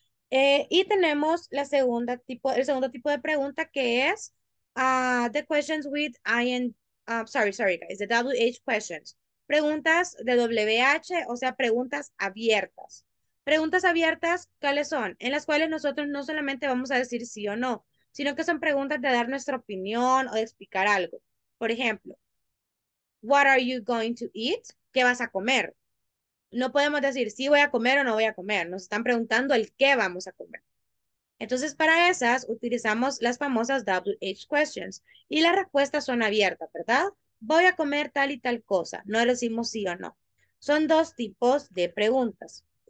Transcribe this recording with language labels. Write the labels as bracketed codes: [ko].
[es] Y tenemos la segunda tipo, el segundo tipo de pregunta que es [en] the questions with ing. Sorry, guys, the WH questions. [es] Preguntas de WH, o sea, preguntas abiertas. Preguntas abiertas, ¿cuáles son? En las cuales nosotros no solamente vamos a decir sí o no, sino que son preguntas de dar nuestra opinión o de explicar algo. Por ejemplo, [en] what are you going to eat? [es] ¿Qué vas a comer? No podemos decir sí voy a comer o no voy a comer. Nos están preguntando el qué vamos a comer. Entonces, para esas utilizamos las famosas WH questions y las respuestas son abiertas, ¿verdad? Voy a comer tal y tal cosa. No decimos sí o no. Son dos tipos de preguntas.